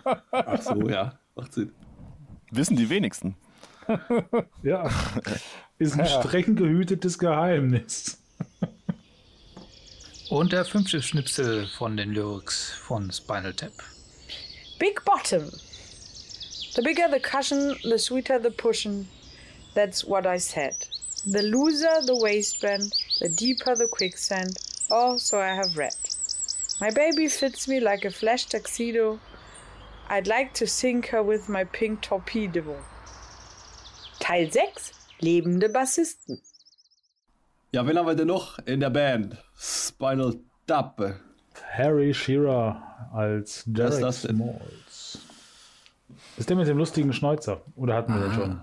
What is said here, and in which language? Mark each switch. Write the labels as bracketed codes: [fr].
[de] Ach so, ja. Macht Sinn. Wissen die wenigsten. Ja. Ist ein streng gehütetes Geheimnis. Und der fünfte Schnipsel von den Lyrics von Spinal Tap. [en] Big Bottom. The bigger the cushion, the sweeter the pushin', that's what I said. The looser the waistband, the deeper the quicksand, oh, so I have read. My baby fits me like a flash tuxedo, I'd like to sink her with my pink torpedo. [de] Teil 6, lebende Bassisten. Ja, wen haben wir denn noch in der Band? Spinal Tap. Harry Shearer als Derek Smalls. Ist der mit dem lustigen Schnäuzer? Oder hatten wir den schon?